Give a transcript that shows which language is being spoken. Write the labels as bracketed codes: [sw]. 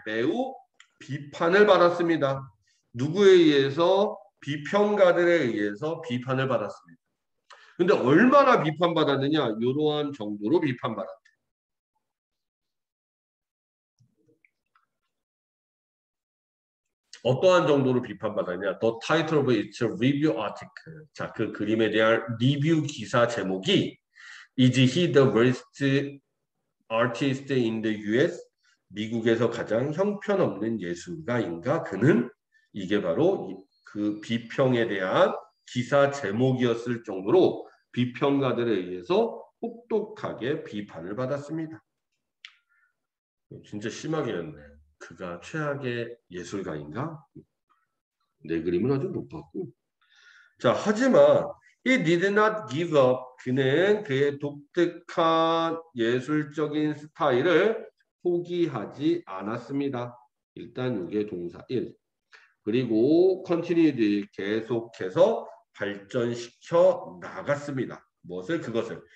[ko] 매우 비판을 받았습니다. 누구에 의해서? 비평가들에 의해서 비판을 받았습니다. 근데 얼마나 비판받았느냐? 이러한 정도로 비판받았대. 어떠한 정도로 비판받았냐? [en] The title of its review article. [ko] 자, 그 그림에 대한 리뷰 기사 제목이 [en] Is he the worst Artist in the US, [ko] 미국에서 가장 형편없는 예술가인가? 그는 이게 바로 그 비평에 대한 기사 제목이었을 정도로 비평가들에 의해서 혹독하게 비판을 받았습니다. 진짜 심하게 했네. 그가 최악의 예술가인가? 내 그림은 아주 높았고. 자, 하지만 [en] he did not give up. [ko] 그는 그의 독특한 예술적인 스타일을 포기하지 않았습니다. 일단 이게 동사 1. 그리고 continued 계속해서 발전시켜 나갔습니다. 무엇을? 그것을.